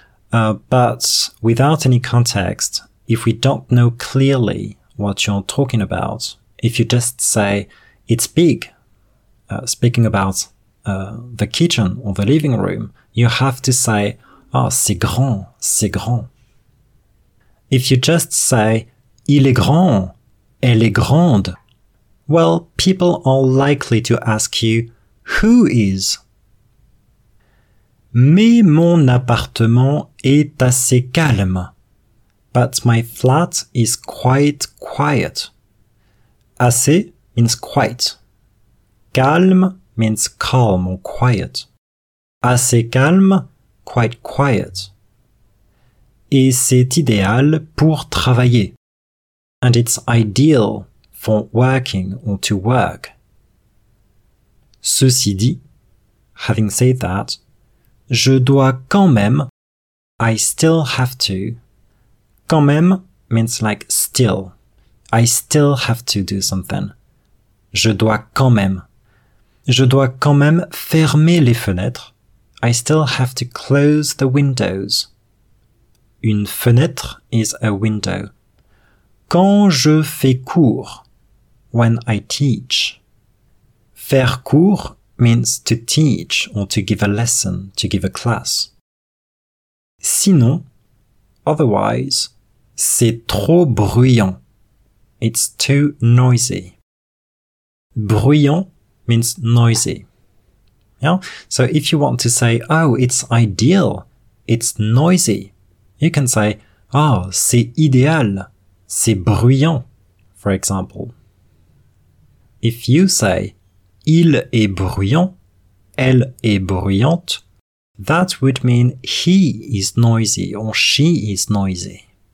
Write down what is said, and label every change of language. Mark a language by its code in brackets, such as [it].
[en] But without any context, if we don't know clearly what you're talking about, if you just say it's big, speaking about the kitchen or the living room, you have to say, [fr] ah, c'est grand, c'est grand. [en] If you just say, [fr] il est grand, elle est grande, [en] well, people are likely to ask you, who is? [fr] Mais mon appartement est assez calme. [en] But my flat is quite quiet. Assez means quite. Calme means calm or quiet. [fr] Assez calme, [en] quite quiet. [fr] Et c'est idéal pour travailler. [en] And it's ideal for working or to work. [fr] Ceci dit, [en] having said that, [fr] je dois quand même, [en] I still have to. Quand même means like still. I still have to do something. [fr] Je dois quand même. Je dois quand même fermer les fenêtres. [en] I still have to close the windows. Une fenêtre is a window. [fr] Quand je fais cours. [en] When I teach. Faire cours means to teach or to give a lesson, to give a class. [fr] Sinon, [en] otherwise, [fr] c'est trop bruyant. [en] It's too noisy. Bruyant means noisy. Yeah? So if you want to say, oh, it's ideal, it's noisy, you can say, oh, [fr] c'est idéal, c'est bruyant, [en] for example. If you say, [fr] il est bruyant, elle est bruyante, [en] that would mean he is noisy or she is noisy.